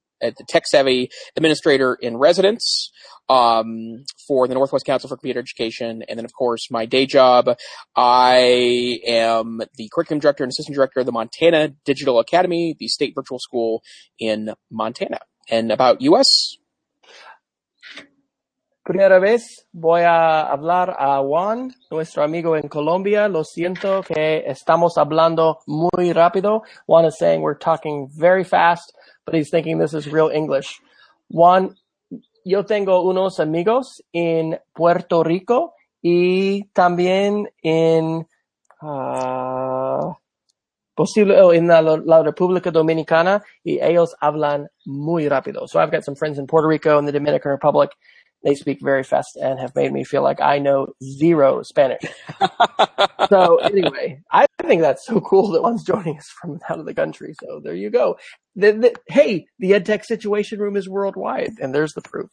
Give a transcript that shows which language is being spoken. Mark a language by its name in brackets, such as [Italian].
[English] at the Tech Savvy Administrator in Residence for the Northwest Council for Computer Education. And then, of course, my day job, I am the Curriculum Director and Assistant Director of the Montana Digital Academy, the state virtual school in Montana. And about US? [Spanish] Primera vez voy a hablar a Juan, nuestro amigo en Colombia. Lo siento que estamos hablando muy rápido. [English] Juan is saying we're talking very fast, but he's thinking this is real English. [Spanish] Juan, yo tengo unos amigos en Puerto Rico y también en la República Dominicana, y ellos hablan muy rápido. [English] So I've got some friends in Puerto Rico and the Dominican Republic. They speak very fast and have made me feel like I know zero Spanish. So anyway, I think that's so cool that one's joining us from out of the country. So there you go. Hey, the EdTech Situation Room is worldwide, and there's the proof.